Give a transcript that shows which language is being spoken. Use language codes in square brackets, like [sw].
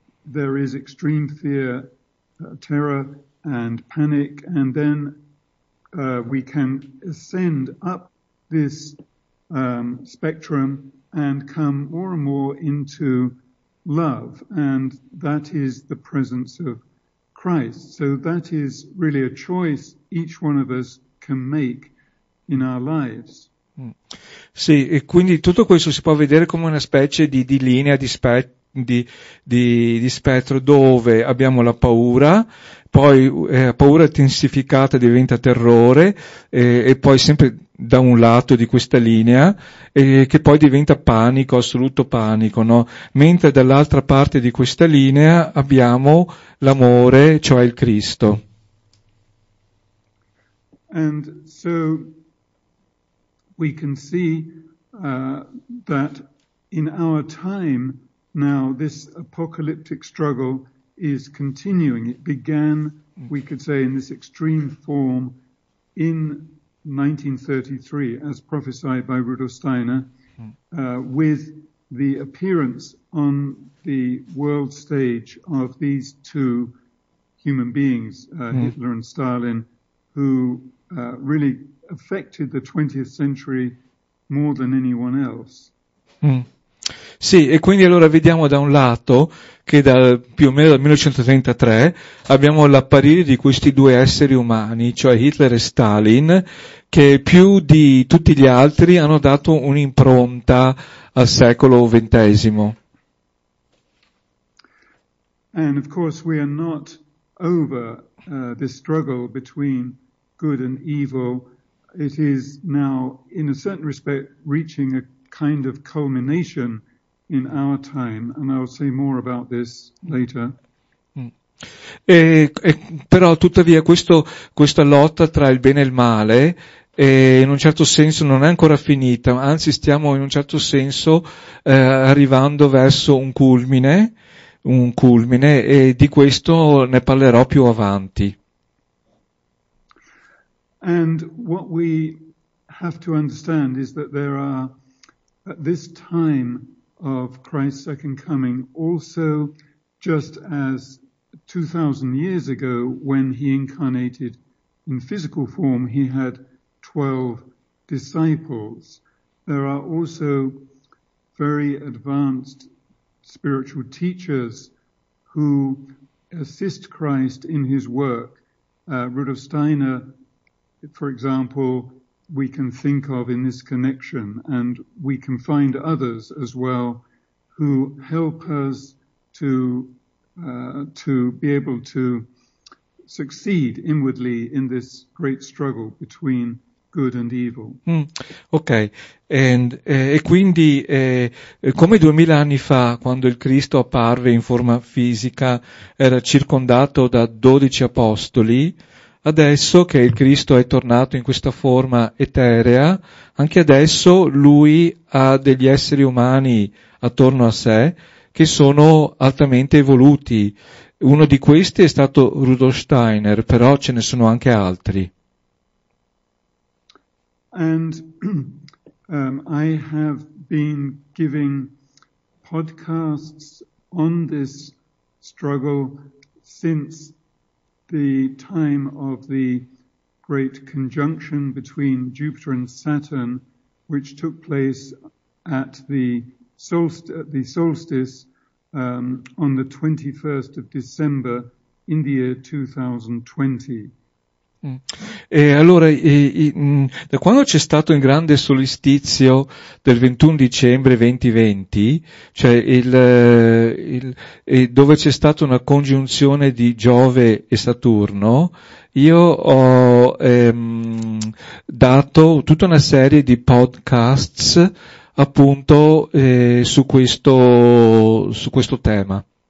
[en] There is extreme fear, terror and panic, and then we can ascend up this spectrum and come more and more into love, and that is the presence of Christ. So that is really a choice each one of us can make in our lives. [it] Sì, e quindi tutto questo si può vedere come una specie di linea di spettro, dove abbiamo la paura, poi paura intensificata diventa terrore, e poi sempre da un lato di questa linea, che poi diventa panico, assoluto panico, no? Mentre dall'altra parte di questa linea abbiamo l'amore, cioè il Cristo. [en] And so we can see that in our time now this apocalyptic struggle is continuing. It began, we could say, in this extreme form in 1933, as prophesied by Rudolf Steiner, with the appearance on the world stage of these two human beings, Hitler and Stalin, who really affected the 20th century more than anyone else. [it] Sì, e quindi allora vediamo da un lato che più o meno dal 1933 abbiamo l'apparire di questi due esseri umani, cioè Hitler e Stalin, che più di tutti gli altri hanno dato un'impronta al secolo XX. [en] And of course we are not over this struggle between good and evil. It is now, in a certain respect, reaching a kind of culmination in our time, and I'll say more about this later. [it] Però tuttavia questa lotta tra il bene e il male, in un certo senso non è ancora finita, anzi stiamo in un certo senso arrivando verso un culmine, e di questo ne parlerò più avanti. [en] And what we have to understand is that there are at this time of Christ's second coming also just as 2,000 years ago when he incarnated in physical form he had 12 disciples. There are also very advanced spiritual teachers who assist Christ in his work. Rudolf Steiner, for example, we can think of in this connection, and we can find others as well who help us to be able to succeed inwardly in this great struggle between good and evil. [it] Ok, e quindi come 2000 anni fa, quando il Cristo apparve in forma fisica, era circondato da 12 apostoli, adesso che il Cristo è tornato in questa forma eterea, anche adesso lui ha degli esseri umani attorno a sé che sono altamente evoluti. Uno di questi è stato Rudolf Steiner, però ce ne sono anche altri. [en] And I have been giving podcasts on this struggle since the time of the great conjunction between Jupiter and Saturn, which took place at the solstice on the 21st of December in the year 2020. [it] E allora, da quando c'è stato il grande solstizio del 21 dicembre 2020, cioè dove c'è stata una congiunzione di Giove e Saturno, io ho dato tutta una serie di podcasts appunto su questo tema.